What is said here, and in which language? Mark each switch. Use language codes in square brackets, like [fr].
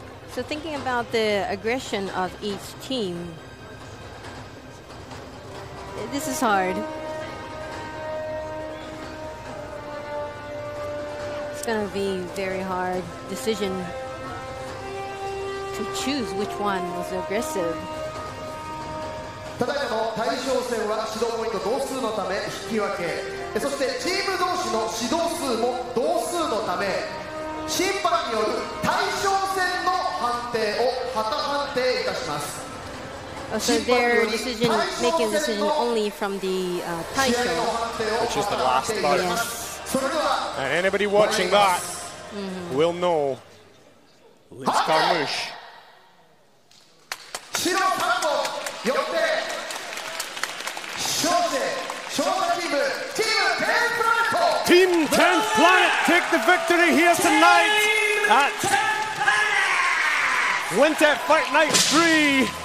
[en] So thinking about the aggression of each team, this is hard. It's going to be a very hard decision to choose which one was aggressive. [ja] ただいまの対象戦は指導ポイント同数のため引き分け。そしてチーム同士の指導数も同数のため審判による対象戦の判定を旗判定いたします。 [en] Oh, so they're decision making decision only from the Taisho, which is the last part. Yes. And anybody watching that, mm-hmm, will know Liz Carmouche. Team 10th Planet take the victory here tonight at Quintet Fight Night 3.